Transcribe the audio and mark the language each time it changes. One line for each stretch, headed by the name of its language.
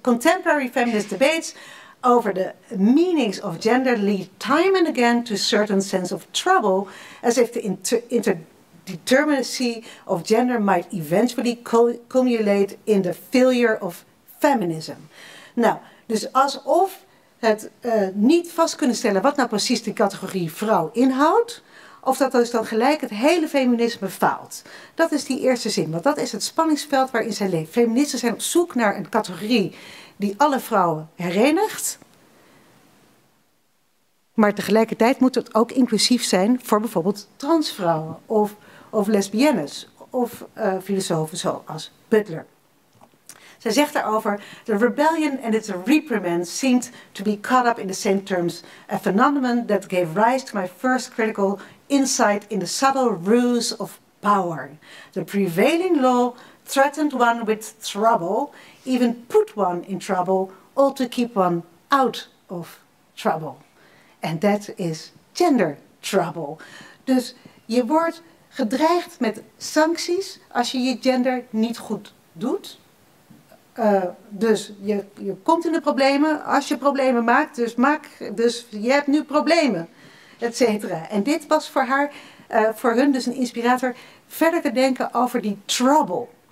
English: Contemporary feminist debates over the meanings of gender lead time and again to certain sense of trouble, as if the interdeterminacy of gender might eventually cumulate in the failure of feminism.
Dutch: Nou, dus alsof het niet vast kunnen stellen wat nou precies de categorie vrouw inhoudt, of dat dus dan gelijk het hele feminisme faalt. Dat is die eerste zin, want dat is het spanningsveld waarin zij leeft. Feministen zijn op zoek naar een categorie die alle vrouwen herenigt, maar tegelijkertijd moet het ook inclusief zijn voor bijvoorbeeld transvrouwen of lesbiennes of filosofen zoals Butler. Zij zegt daarover,
English: the rebellion and its reprimand seemed to be caught up in the same terms, a phenomenon that gave rise to my first critical insight in the subtle ruse of power. The prevailing law threatened one with trouble, even put one in trouble, all to keep one out of trouble. And that is gender trouble.
Dutch: Dus je wordt gedreigd met sancties als je je gender niet goed doet. Dus je komt in de problemen als je problemen maakt. Dus je hebt nu problemen, et cetera. En dit was voor haar, voor hun dus een inspirator, verder te denken over die trouble.